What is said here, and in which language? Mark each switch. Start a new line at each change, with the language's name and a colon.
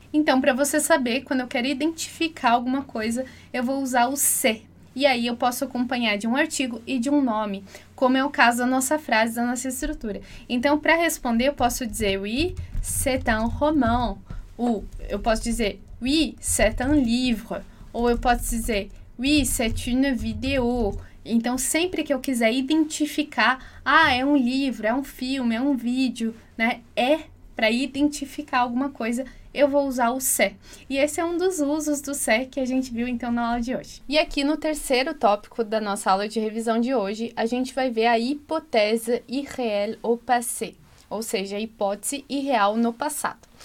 Portuguese: Então, para você saber, quando eu quero identificar alguma coisa, eu vou usar o se. E aí eu posso acompanhar de um artigo e de um nome, como é o caso da nossa frase, da nossa estrutura. Então, para responder, eu posso dizer
French: oui, c'est un roman.
Portuguese: Ou eu posso dizer
French: oui, c'est un livre.
Portuguese: Ou eu posso dizer
French: oui, c'est une vidéo.
Portuguese: Então, sempre que eu quiser identificar, ah, é um livro, é um filme, é um vídeo, né? É para identificar alguma coisa. Eu vou usar o se. E esse é um dos usos do se que a gente viu então na aula de hoje. E aqui no terceiro tópico da nossa aula de revisão de hoje, a gente vai ver a
French: hypothèse irréelle au passé,
Portuguese: ou seja, a hipótese irreal no passado.